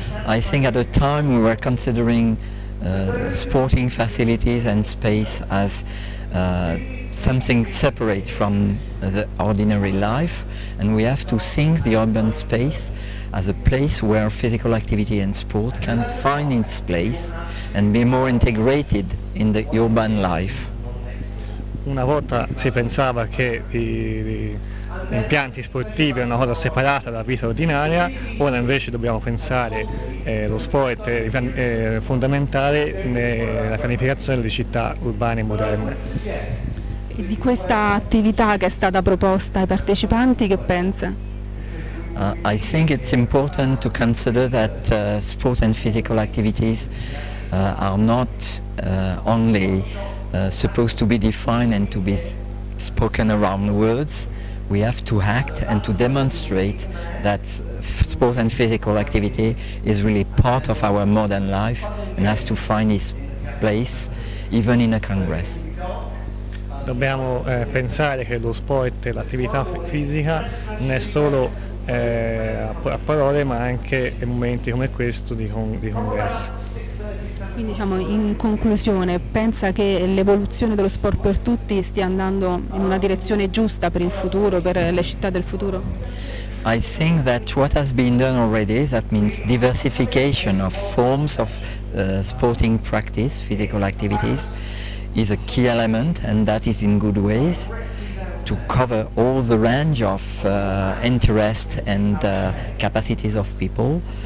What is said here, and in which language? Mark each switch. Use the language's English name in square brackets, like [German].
[English] I think at the time we were considering sporting facilities and space as something separate from the ordinary life, and we have to think the urban space as a place where physical activity and sport can find its place and be more integrated in the urban life. [Italian] Una volta si pensava che gli impianti sportivi è una cosa separata dalla vita ordinaria, ora invece dobbiamo pensare lo sport è fondamentale nella pianificazione delle città urbane moderne. E di questa attività che è stata proposta ai partecipanti, che pensa? [English] I think it's important to consider that sport and physical activities are not only supposed to be defined and to be spoken around words. We have to act and to demonstrate that sport and physical activity is really part of our modern life and has to find its place even in a congress. [Italian] Dobbiamo pensare che lo sport e l'attività fisica non è solo a parole, ma anche in momenti come questo di congresso. Quindi, diciamo, in conclusione, pensa che l'evoluzione dello sport per tutti stia andando in una direzione giusta per il futuro, per le città del futuro? [English] I think that what has been done already, that means diversification of forms of sporting practice, physical activities, is a key element, and that is in good ways to cover all the range of interest and capacities of people.